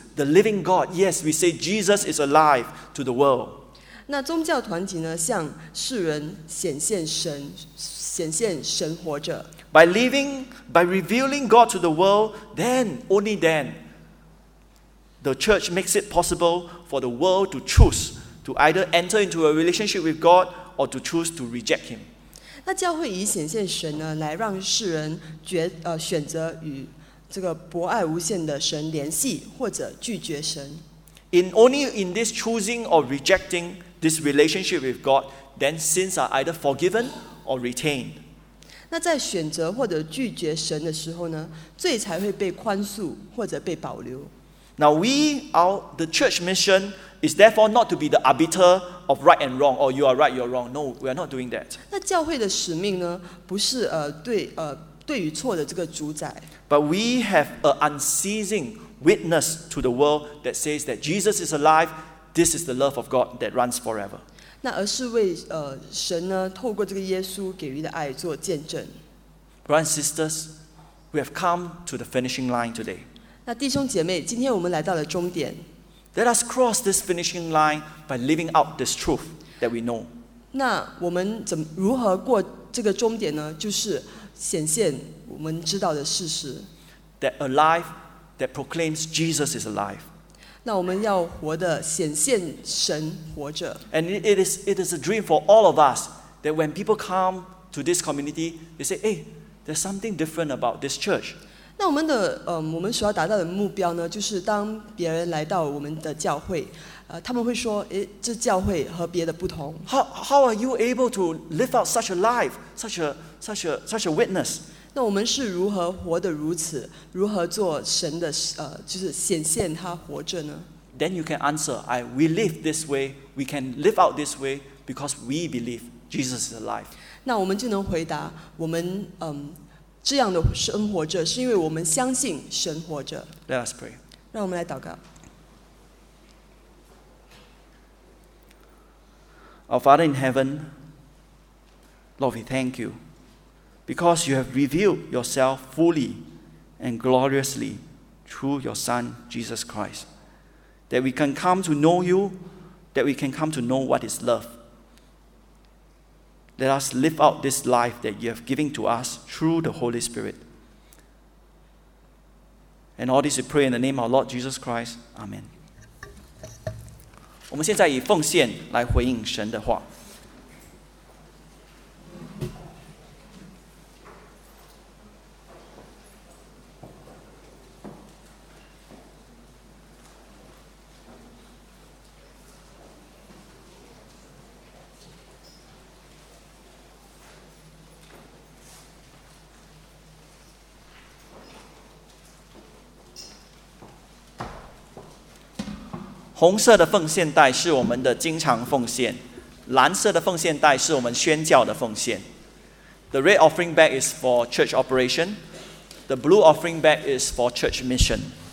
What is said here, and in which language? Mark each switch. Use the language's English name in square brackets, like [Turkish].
[English] The living God, yes, we say Jesus is alive to the world. [Chinese] 那宗教团体呢，向世人显现神，显现神活着。 [English] By revealing God to the world, then, only then, the church makes it possible for the world to choose to either enter into a relationship with God or to choose to reject him. [Chinese] 那教会以显现神呢，来让世人选择与这个博爱无限的神联系，或者拒绝神。 [English] Only in this choosing or rejecting this relationship with God, then sins are either forgiven or retained. [Chinese] 那在选择或者拒绝神的时候呢，罪才会被宽恕或者被保留。 [English] Now the church mission is therefore not to be the arbiter of right and wrong, or you are right, you are wrong. No, we are not doing that. [Chinese] 那教会的使命呢，不是对与错的这个主宰。 [English] But we have an unceasing witness to the world that says that Jesus is alive. This is the love of God that runs forever. [Chinese] 那而是为神呢，透过这个耶稣给予的爱做见证。 [English] Brothers and sisters, we have come to the finishing line today. [Chinese] 那弟兄姐妹，今天我们来到了终点。 [English] Let us cross this finishing line by living out this truth that we know. [Chinese] 那我们如何过这个终点呢？就是显现我们知道的事实。 [English] That alive that proclaims Jesus is alive. [Chinese] 那我们要活的显现神活着。 [English] And it is a dream for all of us that when people come to this community, they say, "Hey, there's something different about this church." [Chinese] 那我们的我们所要达到的目标呢，就是当别人来到我们的教会，他们会说，诶，这教会和别的不同。 [English] How are you able to live out such a life, such a witness? [Chinese] 那我们是如何活得如此，如何做神的就是显现他活着呢？ [English] Then you can answer, we live this way, we can live out this way because we believe Jesus is alive. [Chinese] 那我们就能回答，我们这样的生活着，是因为我们相信神活着。 [English] Let us pray. [Chinese] 让我们来祷告。 [English] Our Father in heaven, Lord, we thank you because you have revealed yourself fully and gloriously through your Son, Jesus Christ, that we can come to know you, that we can come to know what is love. Let us live out this life that you have given to us through the Holy Spirit. And all this we pray in the name of our Lord Jesus Christ. Amen. [Chinese] 我们现在以奉献来回应神的话。红色的奉献袋是我们的经常奉献，蓝色的奉献袋是我们宣教的奉献。 [English] The red offering bag is for church operation. The blue offering bag is for church mission.